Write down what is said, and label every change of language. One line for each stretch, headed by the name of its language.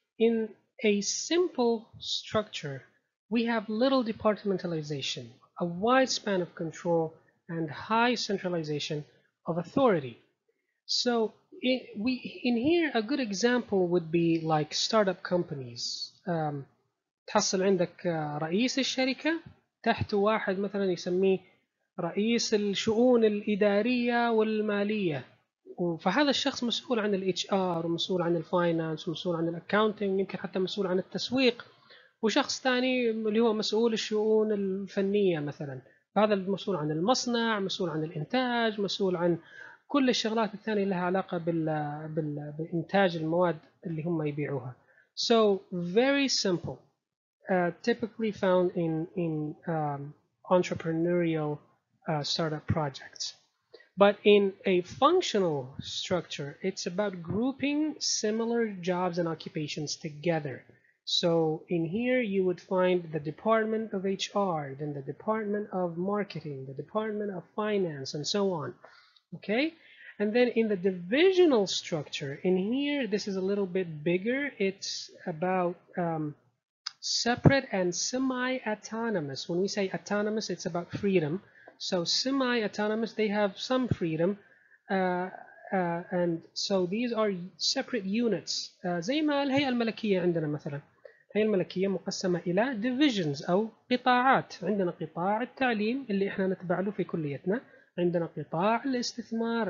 English: In a simple structure, we have little departmentalization, a wide span of control, and high centralization of authority. So in here, a good example would be like startup companies.
Arabic: تحصل عندك رئيس الشركة تحت واحد مثلا يسميه رئيس الشؤون الإدارية والمالية. فهذا الشخص مسؤول عن الـ HR ومسؤول عن الـ Finance ومسؤول عن الـ Accounting, يمكن حتى مسؤول عن التسويق, وشخص ثاني اللي هو مسؤول الشؤون الفنية مثلا, فهذا المسؤول عن المصنع, مسؤول عن الإنتاج, مسؤول عن كل الشغلات الثانية لها علاقة بالإنتاج المواد اللي هم يبيعوها.
English: So very simple, typically found in entrepreneurial startup projects. But in a functional structure, it's about grouping similar jobs and occupations together. So in here, you would find the department of HR, then the department of marketing, the department of finance, and so on. Okay? And then in the divisional structure, in here, this is a little bit bigger. It's about separate and semi-autonomous. When we say autonomous, it's about freedom. So semi-autonomous, they have some freedom. And so these are separate units.
Arabic: زي ما الهيئة الملكية عندنا مثلا. الهيئة الملكية مقسمة إلى divisions أو قطاعات. عندنا قطاع التعليم اللي إحنا نتبع له في كليتنا. عندنا قطاع الاستثمار.